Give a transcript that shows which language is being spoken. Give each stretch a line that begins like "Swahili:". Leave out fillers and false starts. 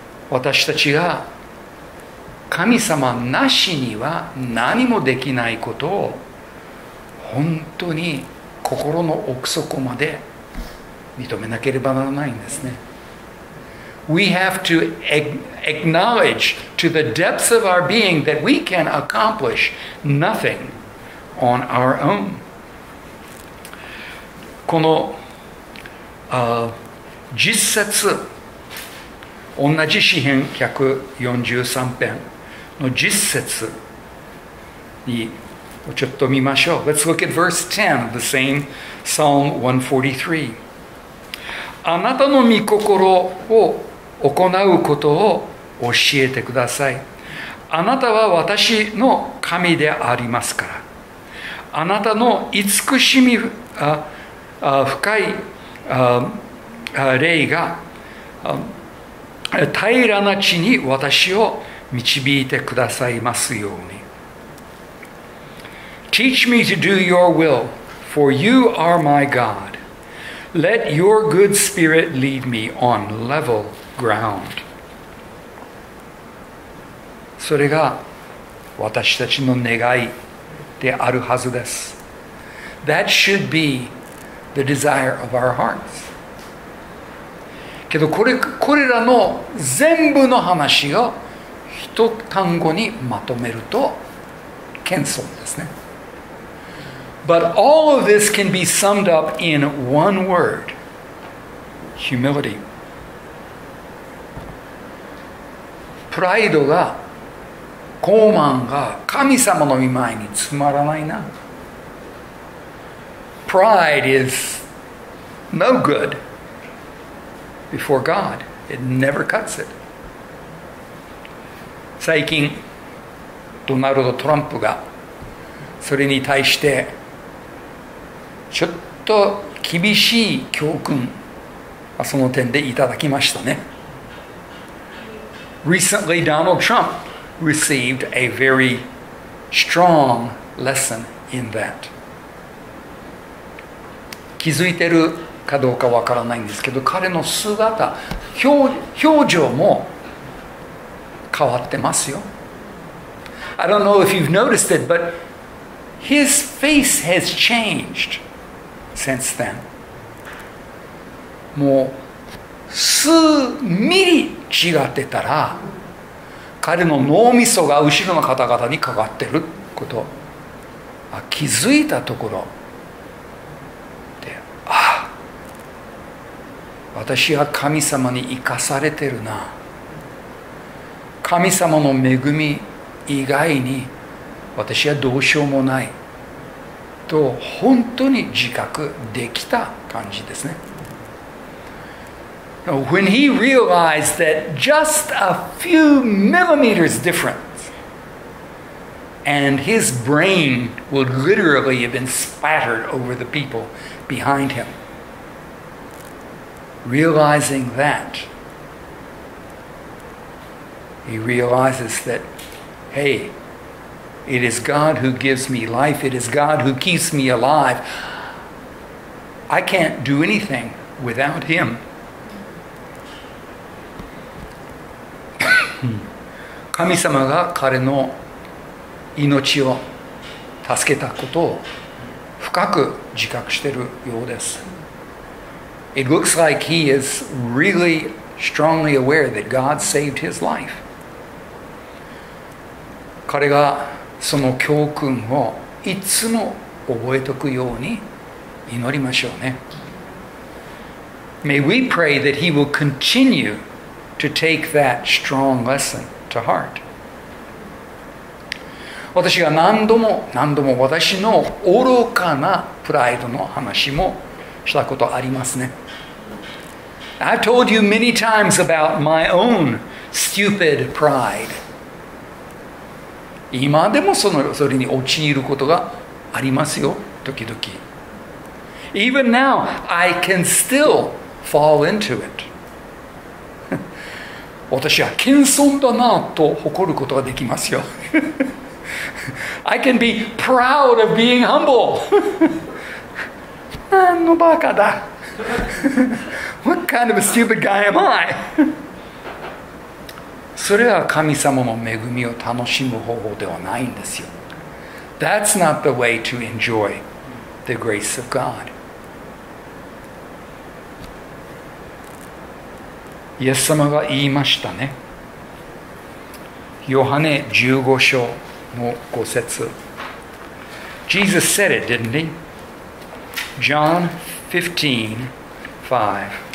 Japanese: 私たちが神様なしには何もできないことを本当に心の奥底まで認めなければならないんですね。
English: we have to acknowledge to the depths of our being that we can accomplish nothing on our own.
Japanese: この実節、同じ詩編143編の実節にちょっと見ましょう。
English: Let's look at verse 10 of the same Psalm 143.
Japanese: あなたの御心を行うことを教えてください。あなたは私の神でありますから。あなたの慈しみ、深い霊が平らな地に私を導いてくださいますように。
English: Teach me to do your will, for you are my God. Let your good spirit lead me on level ground.
Japanese: それが私たちの願いであるはずです。
English: That should be the desire of our hearts.
Japanese: けどこれらの全部の話を一単語にまとめると謙遜ですね。
English: But all of this can be summed up in one word, humility.
Japanese: プライドが、傲慢が神様の御前につまらないな。
English: Pride is no good before God. It never cuts it.
Japanese: 最近、ドナルド・トランプがそれに対してちょっと厳しい教訓、その点でいただきましたね。
English: Recently, Donald Trump received a very strong lesson in that.
Japanese: 気づいてるかどうかわからないんですけど、彼の姿、表情も変わってますよ。
English: I don't know if you've noticed it, but his face has changed. Since then.
Japanese: もう数ミリ違ってたら彼の脳みそが後ろの方々にかかってること気づいたところで、ああ私は神様に生かされてるな、神様の恵み以外に私はどうしようもないと本当に自覚できた感じですね。
English: When he realized that just a few millimeters difference and his brain would literally have been splattered over the people behind him. Realizing that, he realizes that, hey,It is God who gives me life. It is God who keeps me alive. I can't do anything without Him.
Japanese: God 様が彼の命を助けたことを深く自覚しているようです。
English: It looks like he is really strongly aware that God saved his life.
Japanese: 彼がその教訓をいつも覚えておくように祈りましょうね。
English: May we pray that he will continue to take that strong lesson to heart.
Japanese: 私が何度も私の愚かなプライドの話もしたことありますね。
English: I've told you many times about my own stupid pride.
Japanese: 今でもそれに陥ることがありますよ、時々。
English: Even now, I can still fall into it.
Japanese: 私は謙遜だなと誇ることができますよ。
English: I can be proud of being humble.
Japanese: なんのバカだ。
English: What kind of a stupid guy am I?
Japanese: それは神様の恵みを楽しむ方法ではないんですよ。
English: That's not the way to enjoy the grace of God.
Japanese: イエス様が言いましたね。ヨハネ15章の5節。
English: Jesus said it, didn't he? John 15:5.